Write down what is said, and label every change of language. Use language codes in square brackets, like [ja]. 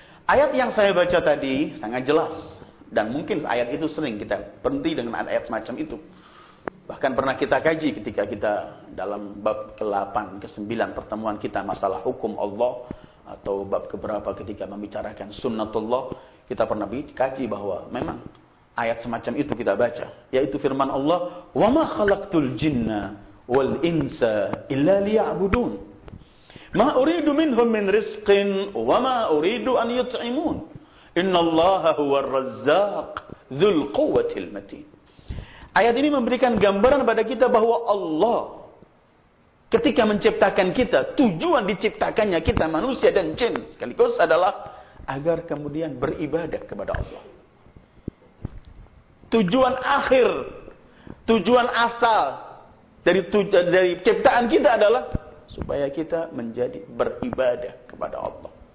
[id] Ayat yang saya baca tadi sangat jelas. Dan mungkin ayat itu sering kita berhenti dengan ayat semacam itu. Bahkan pernah kita kaji ketika kita dalam bab ke-8, ke-9 pertemuan kita masalah hukum Allah. Atau bab keberapa ketika membicarakan sunnatullah. Kita pernah kaji bahwa memang ayat semacam itu kita baca. Yaitu firman Allah, [ar] وَمَا خَلَقْتُ الْجِنَّ وَالْإِنْسَ إِلَّا لِيَعْبُدُونَ مَا أُرِيدُ مِنْهُمْ مِنْ رِزْقٍ وَمَا أُرِيدُ أَنْ يُطْعِمُونَ Inna Allaha huwar razzaq dzul quwwatil matin. [id] Ayat ini memberikan gambaran pada kita bahwa Allah ketika menciptakan kita, tujuan diciptakannya kita manusia dan jin sekaligus adalah agar kemudian beribadah kepada Allah. Tujuan akhir, tujuan asal dari ciptaan kita adalah supaya kita menjadi beribadah kepada Allah.